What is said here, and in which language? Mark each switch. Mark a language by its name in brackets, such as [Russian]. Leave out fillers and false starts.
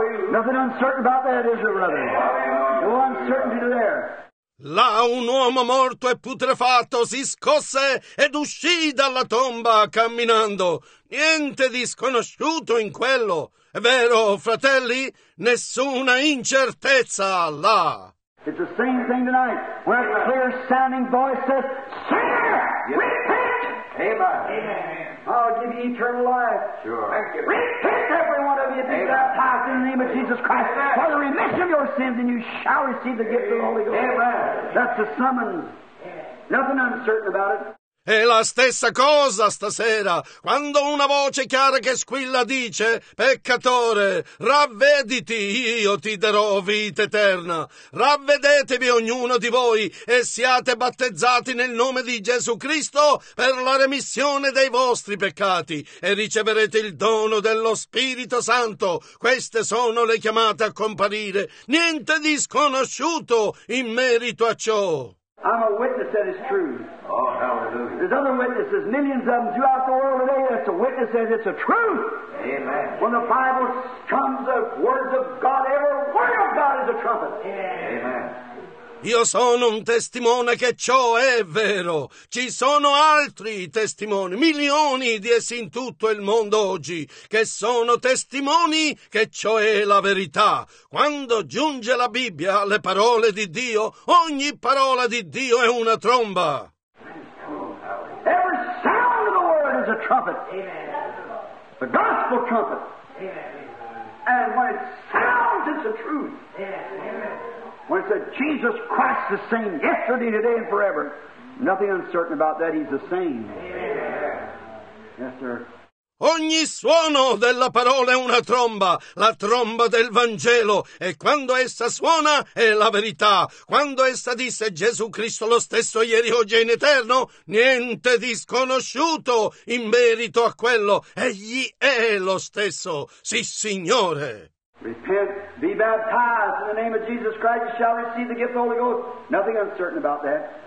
[English] Nothing uncertain about that, is it, brother? No uncertainty there. [Italian] Là un uomo morto e putrefatto si scosse ed uscì dalla tomba camminando. Niente di sconosciuto in quello. È vero, fratelli? Nessuna incertezza là. [English] It's the same thing tonight. Where a clear sounding voice says, sinner, repent! Amen. Amen. I'll give you eternal life. Sure. Thank you. Repent, every one of you, be baptized in the name of Jesus Christ. Amen. For the remission of your sins, and you shall receive the gift of the Holy Ghost. Amen. That's the summons. Amen. Nothing uncertain about it. [Italian] È la stessa cosa stasera, quando una voce chiara che squilla dice: peccatore, ravvediti, io ti darò vita eterna. Ravvedetevi ognuno di voi e siate battezzati nel nome di Gesù Cristo per la remissione dei vostri peccati e riceverete il dono dello Spirito Santo. Queste sono le chiamate a comparire. Niente di sconosciuto in merito a ciò. [English] I'm a witness that is true. Oh, hallelujah. There's other witnesses, millions of them throughout the world today. That's a witness that it's a truth. Amen. When the Bible comes, the words of God, every word of God is a trumpet. Amen. Amen. [Italian] Io sono un testimone che ciò è vero. Ci sono altri testimoni, milioni di essi in tutto il mondo oggi, che sono testimoni che ciò è la verità. Quando giunge la Bibbia alle parole di Dio, ogni parola di Dio è una tromba. [English] Every sound of the word is a trumpet. Amen. The gospel trumpet. Amen. And when it sounds, it's the truth. Amen. When it said, Jesus Christ the same yesterday, today, and forever, nothing uncertain about that, he's the same. Yeah. Yes, sir. [Italian] Ogni suono della parola è una tromba, la tromba del Vangelo, e quando essa suona è la verità. Quando essa disse Gesù Cristo lo stesso ieri, oggi e in eterno, niente di sconosciuto in merito a quello. Egli è lo stesso, sì Signore. [English] Repent, be baptized in the name of Jesus Christ, you shall receive the gift of the Holy Ghost. Nothing uncertain about that.